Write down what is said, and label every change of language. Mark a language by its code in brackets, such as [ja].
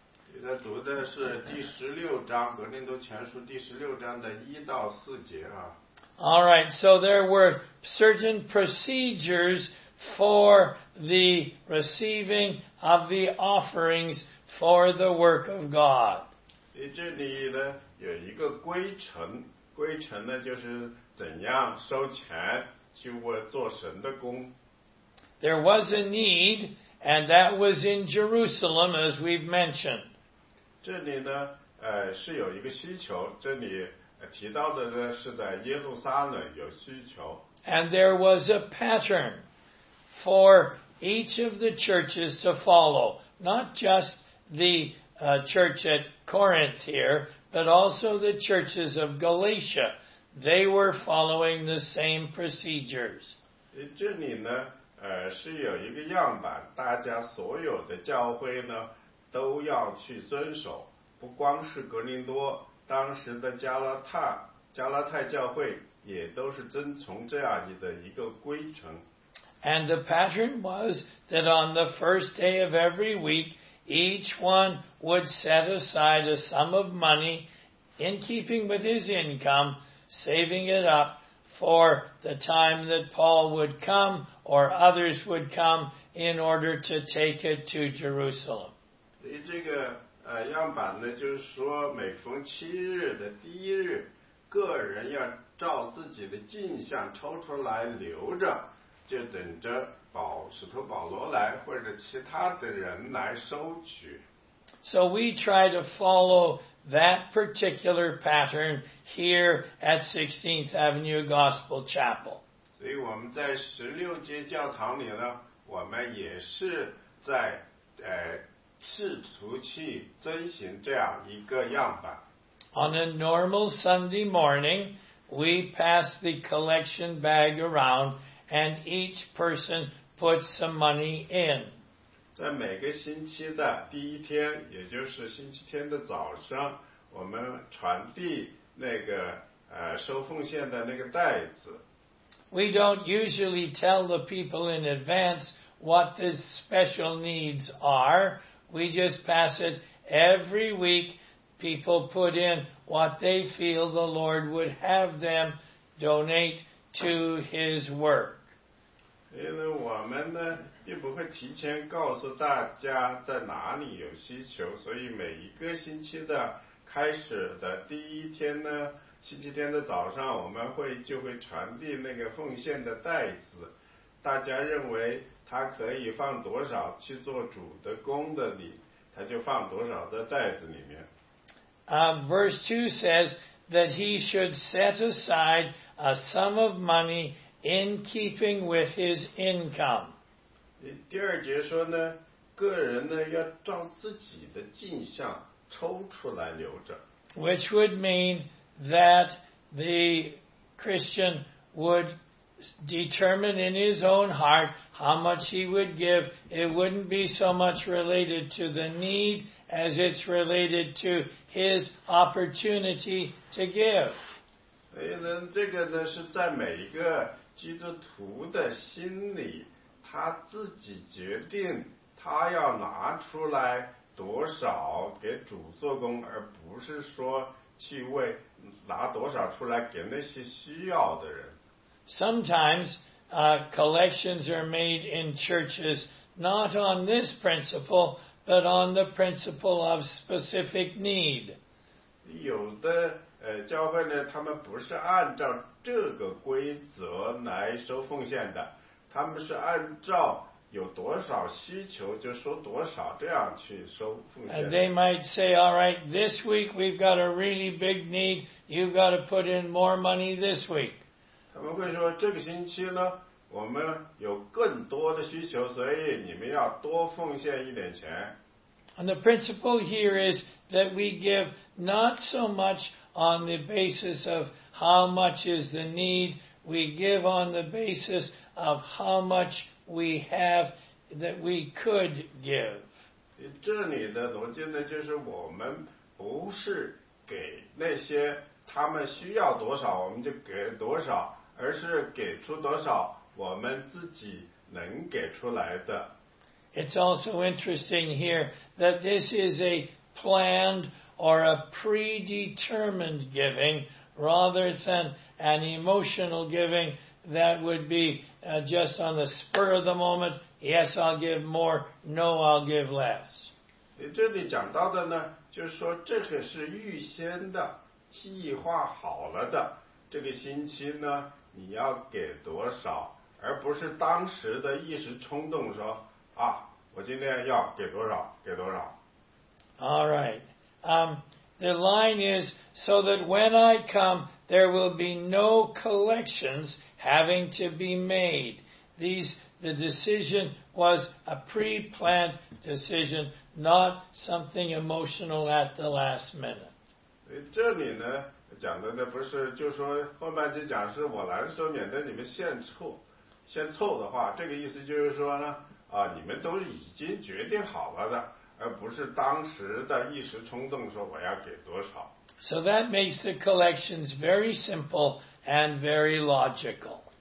[zh] 现在读的是第十六章，格林多前书第十六章的一到四节啊。 [en] All right, so there were certain procedures for the receiving of the offerings for the work of God. [zh] 这里呢有一个规程，规程呢就是怎样收钱去做神的工。 [en] There was a need, and that was in Jerusalem, as we've mentioned. [zh] 这里呢，是有一个需求，这里提到的呢是在耶路撒冷有需求。 [en] And there was a pattern for each of the churches to follow, not just the church at Corinth here, but also the churches of Galatia. They were following the same procedures. [zh] 这里呢，是有一个样板，大家所有的教会呢都要去遵守，不光是格林多。当时的加拉太教会也都是遵从这样的一个规程。 [en] And the pattern was that on the first day of every week, each one would set aside a sum of money in keeping with his income, saving it up for the time that Paul would come or others would come in order to take it to Jerusalem. [zh] 这个样板呢，就是说每逢七日的第一日，个人要照自己的进项抽出来留着，就等着使徒保罗来或者其他的人来收取。 [en] So we try to follow that particular pattern here at 16th Avenue Gospel Chapel. [zh] 所以我们在十六街教堂里呢，我们也是在试图去遵循这样一个样板。 [en] On a normal Sunday morning, we pass the collection bag around and each person puts some money in. [zh] 在每个星期的第一天，也就是星期天的早上，我们传递那个收奉献的那个袋子。 [en] We don't usually tell the people in advance what the special needs are. We just pass it every week. People put in what they feel the Lord would have them donate to His work. [zh] 因为我们呢，并不会提前告诉大家在哪里有需求，所以每一个星期的开始的第一天呢，星期天的早上，我们会传递那个奉献的袋子，大家认为他可以放多少去做主的工的里，他就放多少的袋子里面。 [en] Verse 2 says that he should set aside a sum of money in keeping with his income. [zh] 第二节说呢，个人呢要照自己的镜像抽出来留着。 [en] Which would mean that the Christian would determine in his own heart how much he would give. It wouldn't be so much related to the need as it's related to his opportunity to give. [zh] 所以呢，这个呢是在每一个基督徒的心里，他自己决定他要拿出来多少给主做工，而不是说去为拿多少出来给那些需要的人。 [en] Sometimes, collections are made in churches not on this principle, but on the principle of specific need. [zh] 有的教会呢，他们不是按照这个规则来收奉献的，他们是按照有多少需求就收多少这样去收奉献。 [en] And they might say, all right, this week we've got a really big need, you've got to put in more money this week. [zh] 他们会说，这个星期呢，我们有更多的需求，所以你们要多奉献一点钱。 [en] And the principle here is that we give not so much on the basis of how much is the need, we give on the basis of how much we have that we could give. [zh] 这里的逻辑呢，就是我们不是给那些他们需要多少我们就给多少，而是给出多少我们自己能给出来的。 [en] It's also interesting here that this is a planned or a predetermined giving rather than an emotional giving that would be just on the spur of the moment, yes, I'll give more, no, I'll give less. [zh] 这里讲到的呢，就是说这个是预先的计划好了的，这个星期呢你要给多少，而不是当时的一时冲动说啊，我今天要给多少给多少。 [en] All right. The line is, so that when I come, there will be no collections having to be made. The decision was a pre-planned decision, not something emotional at the last minute. [zh] 这里呢讲的呢不是就说后半句讲是我来的时候免得你们先凑的话，这个意思就是说呢啊，你们都已经决定好了的，而不是当时的一时冲动说我要给多少。 [en] So that makes the collections very simple and very logical.